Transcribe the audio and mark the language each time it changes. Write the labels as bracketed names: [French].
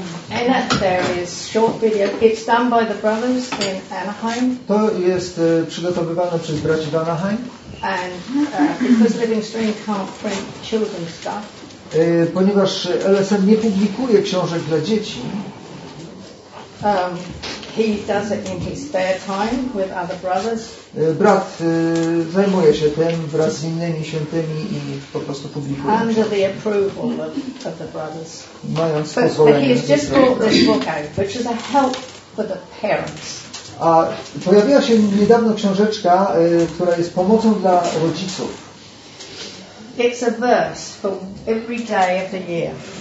[English] And that there is short video. It's done by the brothers in Anaheim. [Polish] To jest przygotowywane przez braci w Anaheim. [English] And because Living Stream can't print children's stuff. [Polish] Ponieważ LSM nie publikuje książek dla dzieci. [English] He does it in his spare time with other brothers. [Polish] Brat zajmuje się tym wraz z innymi świętymi i po prostu publikuje. [English] Under the approval of the brothers. [Polish] Mając pozwolenie. [English] But he has just brought this book out, which is a help for the parents. [Polish] A pojawiła się niedawno książeczka, która jest pomocą dla rodziców. [English] It's a verse for every day of the year.